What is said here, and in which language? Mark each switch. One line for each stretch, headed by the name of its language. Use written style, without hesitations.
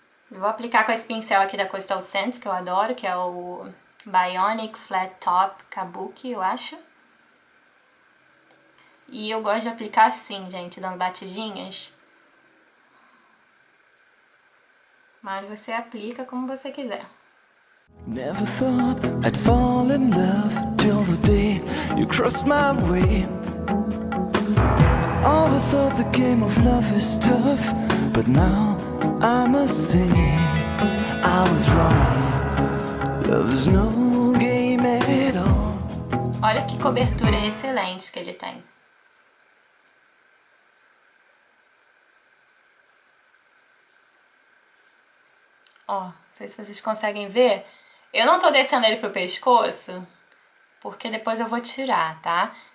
Portuguese: Vou aplicar com esse pincel aqui da Coastal Scents, que eu adoro, que é o Bionic Flat Top Kabuki, eu acho. E eu gosto de aplicar assim, gente, dando batidinhas. Mas você aplica como você quiser.
English: Never thought I'd fall in love till the day you crossed my way. Always thought the game of love is tough, but now I must say I was wrong. Love is no game at all.
Portuguese: Olha que cobertura excelente que ele tem. Ó, não sei se vocês conseguem ver. Eu não tô descendo ele pro pescoço, porque depois eu vou tirar, tá?